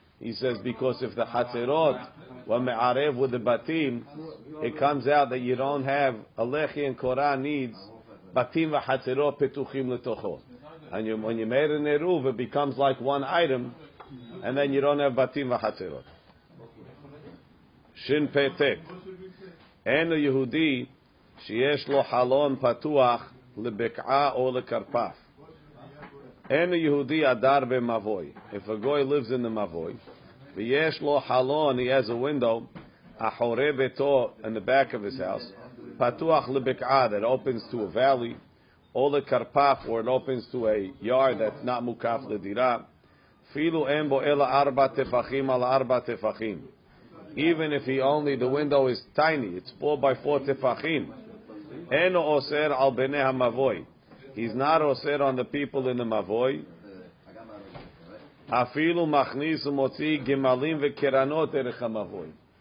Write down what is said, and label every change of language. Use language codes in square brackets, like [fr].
[en] He says, because if the hatzerot were me'arev with the batim, it comes out that you don't have a lechi and korah needs [he] batim v'hatzerot petuchim letocho. [en] And you, when you made an eruv, it becomes like one item, and then you don't have batim v'hatzerot. [he] Shin petek. En Yehudi, שיש לו חלון פתוח לבקעה או לקרפף. אין יהודי אדר במבוי. [en] If a guy lives in the מבוי, [he] ויש לו חלון, [en] he has a window, [he] אחורי ביתו, [en] in the back of his house, [he] פתוח לבקעה, [en] that opens to a valley, [he] או לקרפף, [en] where it opens to a yard that's not [he] מוקף לדירה, אפילו אין בו אלא 4 טפחים על 4 טפחים. [en] Even if he only, the window is tiny, it's 4 by 4 טפחים, [he] Eno oser al bnei ha-mavoi. [en] He's not oser on the people in the mavoi. [he] Afilu machnis u-motzi gimalim ve-keranot erich ha-mavoi.